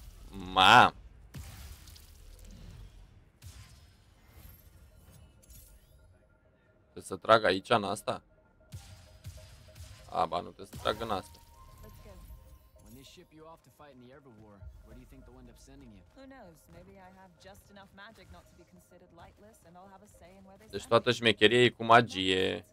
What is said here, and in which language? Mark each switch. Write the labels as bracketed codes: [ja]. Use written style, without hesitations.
[ro] Ma. Trebuie să trag aici, în asta? A, ba, nu trebuie să trag în asta. [en] When they ship you off to fight in the Ever War, where do you think they'll end up sending you? Who knows? Maybe I have just enough magic not to be considered lightless and I'll have a say in where they send. [ro] Deci toată șmecheria e cu magie.